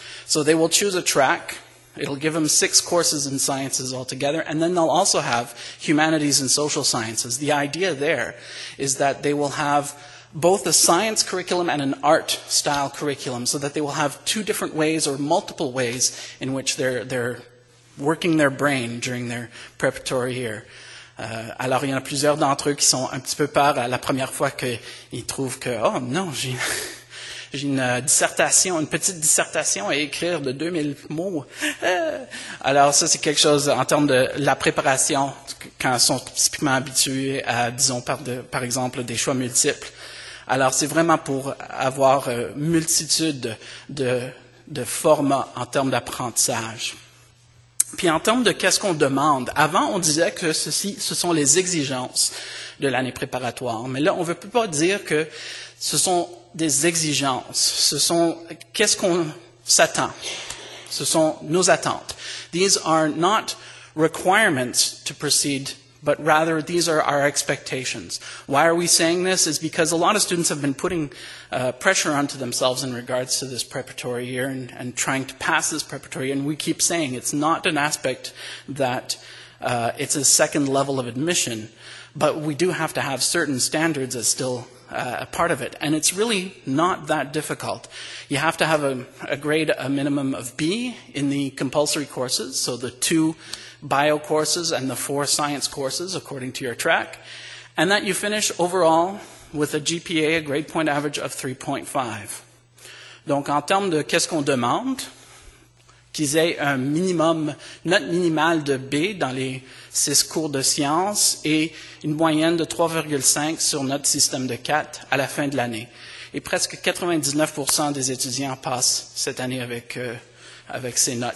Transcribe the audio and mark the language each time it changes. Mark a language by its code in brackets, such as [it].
[en] So they will choose a track. It'll give them 6 courses in sciences altogether, and then they'll also have humanities and social sciences. The idea there is that they will have both a science curriculum and an art-style curriculum, so that they will have 2 different ways or multiple ways in which they're working their brain during their preparatory year. [fr] Alors, il y en a plusieurs d'entre eux qui sont un petit peu peur à la première fois qu'ils trouvent que, oh non, j'ai une dissertation, une petite dissertation à écrire de 2000 mots. Alors ça, c'est quelque chose en termes de la préparation, quand ils sont typiquement habitués à, disons, par exemple, des choix multiples. Alors c'est vraiment pour avoir multitude de formats en termes d'apprentissage. Puis en termes de qu'est-ce qu'on demande, avant on disait que ce sont les exigences de l'année préparatoire, mais là on ne peut pas dire que ce sont des exigences, ce sont qu'est-ce qu'on s'attend, ce sont nos attentes. [en] These are not requirements to proceed, but rather these are our expectations. Why are we saying this? It's because a lot of students have been putting pressure onto themselves in regards to this preparatory year and trying to pass this preparatory year, and we keep saying it's not an aspect that it's a second level of admission, but we do have to have certain standards as still a part of it, and it's really not that difficult. You have to have a grade, a minimum of B in the compulsory courses, so the 2 bio courses and the 4 science courses according to your track, and that you finish overall with a GPA, a grade point average of 3.5. [fr] Donc en termes de qu'est-ce qu'on demande, qu'ils aient un minimum, note minimale de B dans les 6 cours de sciences et une moyenne de 3,5 sur notre système de 4 à la fin de l'année. Et presque 99% des étudiants passent cette année avec ces notes.